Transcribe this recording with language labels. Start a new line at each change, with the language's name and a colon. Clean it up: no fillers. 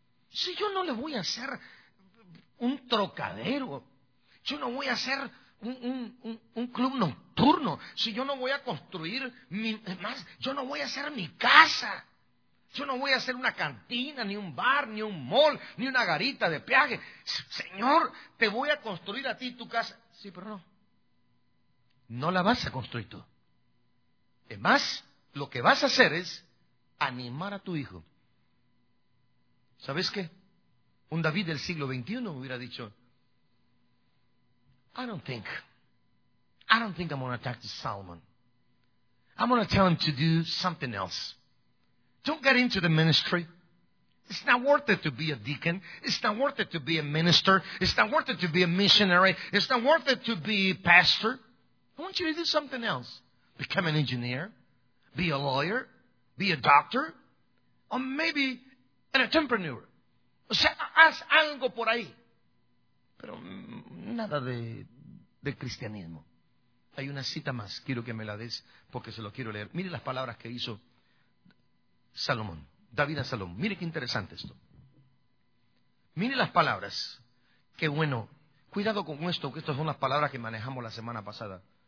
Spanish: Si yo no le voy a hacer un trocadero, yo no voy a hacer un club nocturno, si yo no voy a construir yo no voy a hacer mi casa, yo no voy a hacer una cantina, ni un bar, ni un mall, ni una garita de peaje. Señor, te voy a construir a ti tu casa. Sí, pero no la vas a construir tú. Es más, lo que vas a hacer es animar a tu hijo. ¿Sabes qué? Un David del siglo XXI hubiera dicho:
English: I don't think I'm going to talk to Solomon. I'm going to tell him to do something else. Don't get into the ministry. It's not worth it to be a deacon. It's not worth it to be a minister. It's not worth it to be a missionary. It's not worth it to be a pastor. I want you to do something else. Become an engineer, be a lawyer, be a doctor, or maybe an entrepreneur.
Spanish: O sea, haz algo por ahí. Pero nada de cristianismo. Hay una cita más, quiero que me la des porque se lo quiero leer. Mire las palabras que hizo Salomón, David a Salomón. Mire qué interesante esto. Mire las palabras. Qué bueno. Cuidado con esto, que estas son las palabras que manejamos la semana pasada.